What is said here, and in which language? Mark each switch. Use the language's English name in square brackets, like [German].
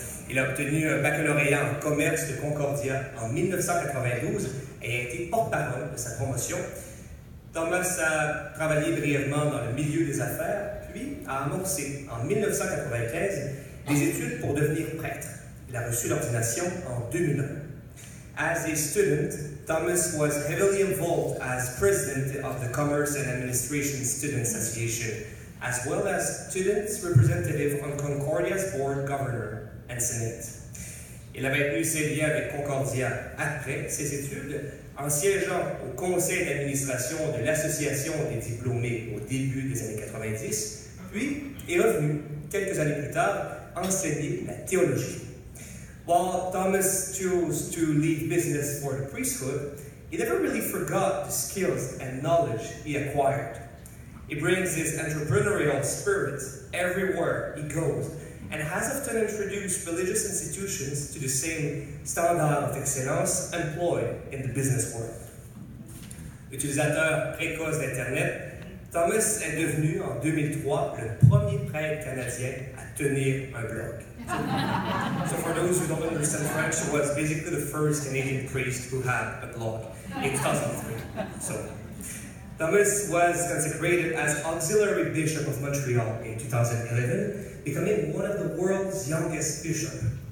[French] Il a obtenu un baccalauréat en commerce de Concordia en 1992 et a été porte-parole de sa promotion. Thomas a travaillé brièvement dans le milieu des affaires, puis a amorcé en 1995 des études pour devenir prêtre. Il a reçu l'ordination en 2001. [English] As a student, Thomas was heavily involved as president of the Commerce and Administration Students Association, as well as student's representative on Concordia's board governor and senate. [French] Il a maintenu ses liens avec Concordia après ses études, en siégeant au conseil d'administration de l'Association des diplômés au début des années 90, puis est revenu, quelques années plus tard, enseigner la théologie. [English] While Thomas chose to leave business for the priesthood, he never really forgot the skills and knowledge he acquired. He brings his entrepreneurial spirit everywhere he goes and has often introduced religious institutions to the same standard of excellence employed in the business world. [French] Utilisateur précoce d'Internet, Thomas est devenu en 2003 le premier prêtre canadien à tenir un blog. [English] So for those who don't understand French, he was basically the first Canadian priest who had a blog in 2003. So, Thomas was consecrated as Auxiliary Bishop of Montreal in 2011, becoming one of the world's youngest bishops.